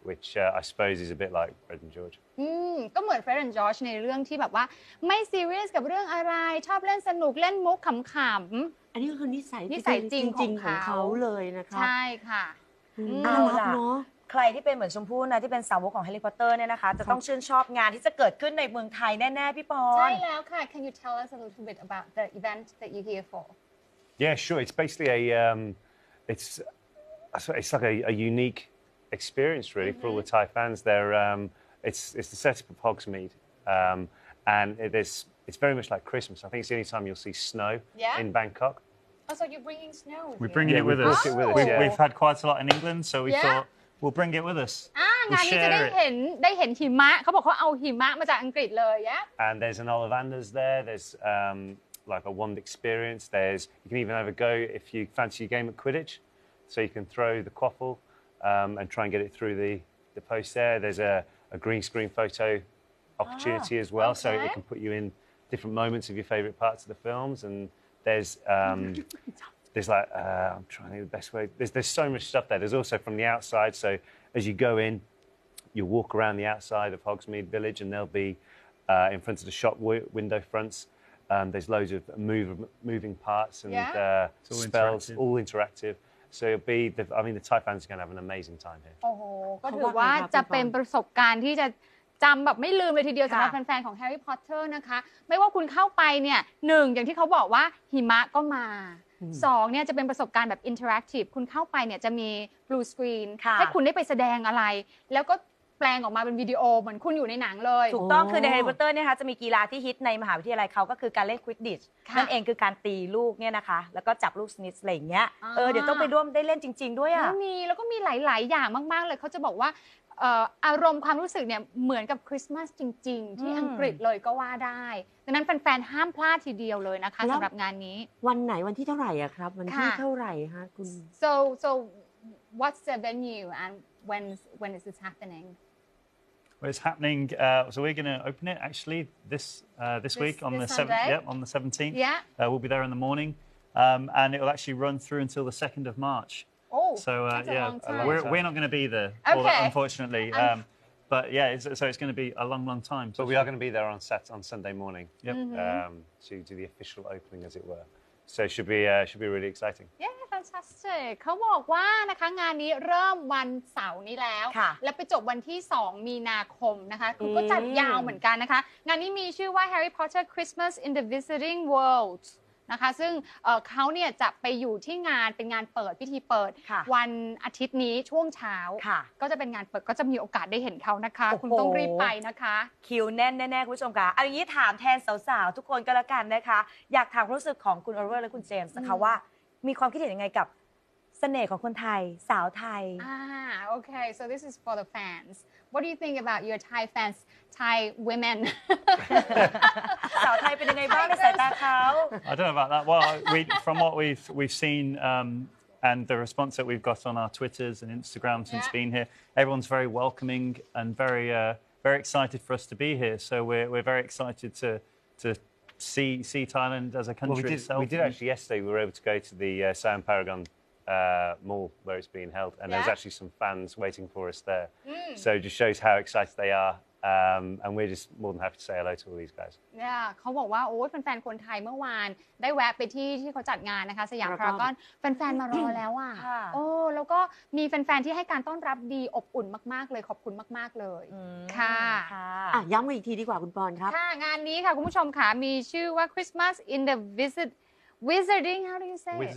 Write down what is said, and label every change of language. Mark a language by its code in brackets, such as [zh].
[en] which I suppose is a bit like Fred and George [th] ก็เหมือน Fred and George ในเรื่องที่แบบว่าไม่ serious กับเรื่องอะไรชอบเล่นสนุกเล่นมุกขำๆ อัน นี้คือนิสัยจริงๆของเขาเลยนะคะ ใช่ค่ะ น่ารักเนาะ ใครที่เป็นเหมือนชมพู่นะที่เป็นสาวกของแฮร์รี่พอตเตอร์เนี่ยนะคะจะต้องชื่นชอบงานที่จะเกิดขึ้นในเมืองไทยแน่ๆพี่ปอน ใช่แล้วค่ะ [en] Can you tell us a little bit about the event that you're here for? Yeah, sure. It's basically it's like a unique experience really for all the Thai fans. They're it's the setup of Hogsmeade, and it's very much like Christmas. I think it's the only time you'll see snow in Bangkok. Oh, so you're bringing snow? We're bringing it with us. We've had quite a lot in England, so we thought. We'll bring it with us. We'll share it. [th] ได้เห็นหิมะเขาบอกเขาเอาหิมะมาจากอังกฤษเลย [en] yeah. And there's an Ollivanders there. There's like a wand experience. There's you can even have a go if you fancy a game at Quidditch. So you can throw the quaffle and try and get it through the post there. There's a green screen photo opportunity as well. Okay. So it can put you in different moments of your favorite parts of the films. And there's there's like I'm trying to think of the best way. There's so much stuff there. There's also from the outside. So as you go in, you walk around the outside of Hogsmeade Village, and there'll be in front of the shop window fronts. There's loads of moving parts and spells, all interactive. So it'll be. The Thai fans are going to have an amazing time here. [th] โอ้โหก็ถือว่าจะเป็นประสบการณ์ที่จะจำแบบไม่ลืมเลยทีเดียวสำหรับแฟนๆของ Harry Potter นะคะไม่ว่าคุณเข้าไปเนี่ย1อย่างที่เขาบอกว่าหิมะก็มา2เนี่ยจะเป็นประสบการณ์แบบอินเทอร์แอคทีฟคุณเข้าไปเนี่ยจะมีบลูสกรีนให้คุณได้ไปแสดงอะไรแล้วก็แปลงออกมาเป็นวิดีโอเหมือนคุณอยู่ในหนังเลย ถูกต้องคือใน Harry Potter เนี่ยคะจะมีกีฬาที่ฮิตในมหาวิทยาลัยเขาก็คือการเล่นควิดดิชนั ่นเองคือการตีลูกเนี่ยนะคะแล้วก็จับลูกสนิทอะไรเงี้ยเดี๋ยวต้องไปร่วมได้เล่นจริงๆด้วยอ่ะ มีแล้วก็มีหลายๆอย่างมากๆเลยเขาจะบอกว่าอารมณ์ความรู้สึกเนี่ยเหมือนกับคริสต์มาสจริงๆที่อังกฤษเลยก็ว่าได้ดังนั้นแฟนๆห้ามพลาดทีเดียวเลยนะคะสำหรับงานนี้วันไหนวันที่เท่าไหร่อะครับวันที่เท่าไหร่ฮะคุณ [en] so what's the venue and when is this happening well it's happening so we're going to open it actually this week on the 7th on the 17th yeah we'll be there in the morning And it will actually run through until the 2nd of March. Oh, that's a long time. We're not going to be there, unfortunately. But yeah, it's going to be a long, long time. But we are going to be there on set on Sunday morning. Yep. Mm-hmm. To do the official opening, as it were. So it should be really exciting. Yeah, fantastic. [th] เขาบอกว่านะคะงานนี้เริ่มวันเสาร์นี้แล้วและไปจบวันที่2มีนาคมนะคะคือก็จัดยาวเหมือนกันนะคะงานนี้มีชื่อว่า Harry Potter Christmas in the Wizarding World นะคะซึ่งเขาเนี่ยจะไปอยู่ที่งานเป็นงานเปิดพิธีเปิดวันอาทิตย์นี้ช่วงเช้าก็ จะเป็นงานเปิดก็จะมีโอกาสได้เห็นเขานะคะคุณต้องรีบไปนะคะ คิวแน่นแน่ๆคุณผู้ชมคะเอาอย่างนี้ถามแทนสาวๆทุกคนก็แล้วกันนะคะอยากถามความรู้สึกของคุณออลิเวอร์และคุณเจมส์นะคะว่ามีความคิดเห็นยังไงกับเสน่ห์ของคนไทยสาวไทย [en] โอเค so this is for the fans what do you think about your Thai fans Thai women [th] สาวไทยเป็นยังไงบ้างในสายตาเขา [en] I don't know about that well we from what we've seen and the response that we've got on our Twitters and Instagram since being here everyone's very welcoming and very very excited for us to be here so we're very excited to see Thailand as a country we did actually yesterday we were able to go to the Siam Paragon mall where it's being held and there's actually some fans waiting for us there so it just shows how excited they areand we're just more than happy to say hello to all these guys. [th] Yeah, เขาบอกว่าโอ๊ยแฟนๆคนไทยเมื่อวานได้แวะไปที่ที่เขาจัดงานนะคะสยามพารากอนแฟนๆมารอแล้วอ่ ะ โอ้แล้วก็มีแฟนๆที่ให้การต้อนรับดีอบอุ่นมากๆเลยขอบคุณมากๆเลย ค่ ะ ย้ำกันอีกทีดีกว่าคุณปอนครับ ค่ะงานนี้ค่ะคุณผู้ชมค่ะมีชื่อว่า Christmas in the Wizarding [en] how do you say